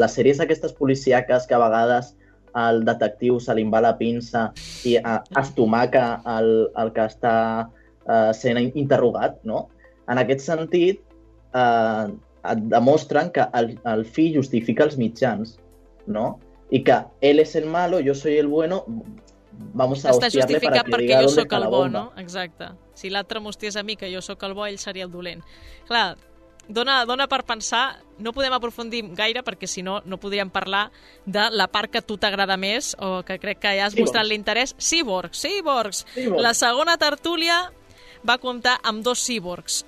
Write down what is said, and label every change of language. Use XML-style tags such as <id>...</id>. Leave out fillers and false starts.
<ca>Les sèries aquestes policiaques que a vegades el detectiu se li va la pinça i estomaca el que està sent interrogat, no? En aquest sentit, et demostren que el fi justifica els mitjans, no? I que ell és el malo,</ca> <es>jo soy el bueno, vamos a hostiarle para que diga dónde está la bomba.</es> <ca>Exacte. Si l'altre m'hostiés a mi, que jo sóc el bo, ell seria el dolent. Clar, dona per pensar, no podem aprofundir gaire perquè si no podríem parlar de la part que a tu t'agrada més o que crec que ja has mostrat l'interès. Cíborgs. La segona tertúlia va comptar amb dos cíborgs.</ca>